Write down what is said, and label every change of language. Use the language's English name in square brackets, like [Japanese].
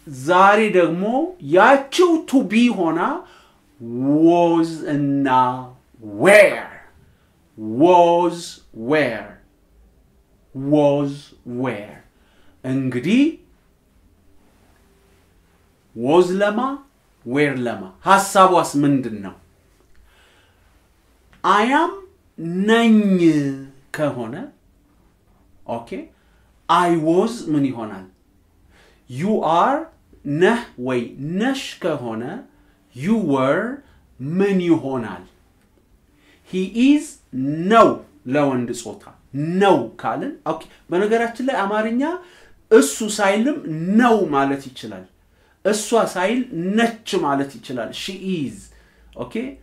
[Amharic] ዛሬ ደግሞ ያቺው ቱቢ ሆና ዎዝ እና ዌር ዎዝ ዌር was where እንግዲህ was lama where lama ሐሳቧስ ምንድነው? [English] I am [Amharic] ነኝ ከሆነ [English] okay I was [Amharic] ምን ይሆናል? [English] You are [Amharic] ነህ ወይ ነሽ ከሆነ [English] you were [Amharic] ምን ይሆናል? He is ነው ለወንድ ጾታ ነው ካልን ኦኬ። በነገራችን ላይ አማርኛ እሱ ሳይልም ነው ማለት ይችላል፣ እሷ ሳይል ነች ማለት ይችላል። [English] ሺ ኢዝ ኦኬ